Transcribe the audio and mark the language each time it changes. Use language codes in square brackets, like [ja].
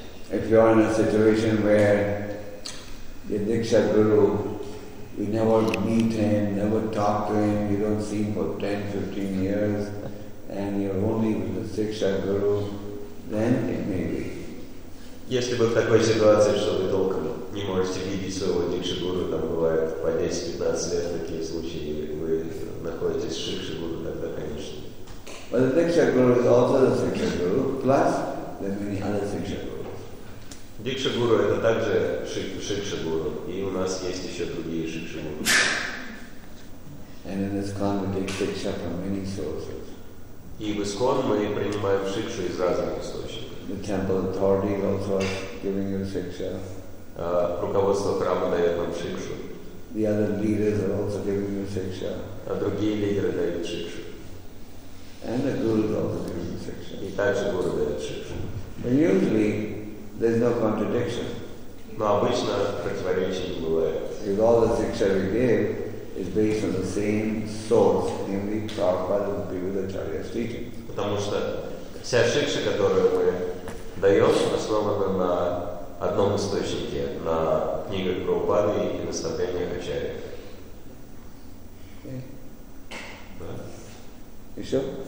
[en] If you are in a situation where the Diksha Guru, you never meet him, never talk to him, you don't see him for 10-15 years, and you're only with the Shiksha Guru, then it may be. [ru] Если бы в такой ситуации, что вы толком не можете видеть своего Дикша Гуру, там бывает по 10-15 лет такие случаи, вы находитесь с Шикша Гуру, тогда конечно. [en] But the Дикша Гуру is also the Shiksha Guru, plus there are many other Shiksha Gurus. [ru] Дикша Гуру это также Шикша Гуру, и у нас есть еще другие Шикша Гуру. [en] And in this congregation, Шикша from many sources. [ru] И в Искон мы принимаем шикшу из разных источников. [en] The temple authority also is giving you shiksha. [ru] Руководство храма дает нам шикшу. [en] The other leaders are also giving you shiksha. [ru] А другие лидеры дают шикшу. [en] And the guru is also giving you shiksha. [ru] И также гуру дает шикшу. [en] But usually there's no contradiction. [ru] Но обычно противоречий не бывает. [en] Because all the shiksha we give is based on the same source, namely Prabhupada and Bhagavad-Acharya's teaching. [ru] Потому что вся шикша, которую мы даем, основана на одном источнике, на книгах Прабхупады и наставлениях Ачарьи. Okay. Да. Еще?